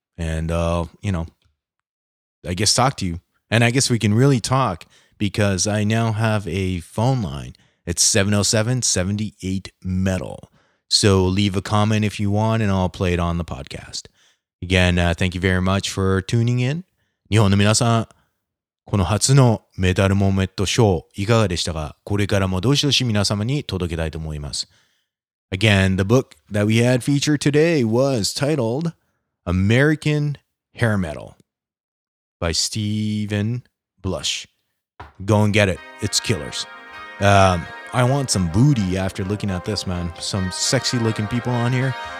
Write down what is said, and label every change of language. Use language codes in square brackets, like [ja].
[en] And, I guess talk to you. And I guess we can really talk because I now have a phone line. It's 707-78-METAL. So leave a comment if you want, and I'll play it on the podcast. Again, thank you very much for tuning in. [ja] 日本の皆さん、この初のメタルモメットショー、いかがでしたか？これからもどしどし皆様に届けたいと思います。 [en] Again, the book that we had featured today was titled American Hair Metal by Stephen Blush. Go and get it. It's killers. I want some booty after looking at this, man. Some sexy looking people on here.